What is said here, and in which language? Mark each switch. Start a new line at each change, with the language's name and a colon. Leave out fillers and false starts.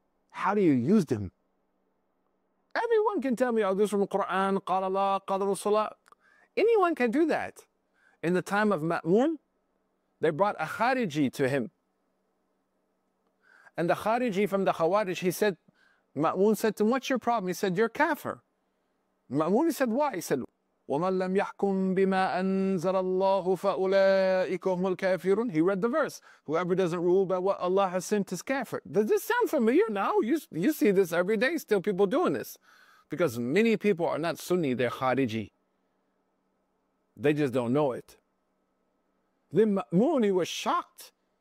English: How do you use them? Everyone can tell me, oh, this is from Quran, qala Allah, qala Rasulullah. Anyone can do that. In the time of Ma'mun, they brought a khariji to him. And the khariji from the Khawarij, he said, Ma'mun said to him, what's your problem? He said, you're kafir. Ma'mun, he said, why? He said,
Arabic: وَمَنْ لَمْ يَحْكُمْ بِمَا أَنْزَلَ اللَّهُ فَأُولَٰئِكَ هُمُ الْكَافِرُونَ.
English: He read the verse. Whoever doesn't rule by what Allah has sent is kafir. Does this sound familiar now? You see this every day, still people doing this. Because many people are not Sunni, they're khariji. They just don't know it. Then Ma'mun, he was shocked.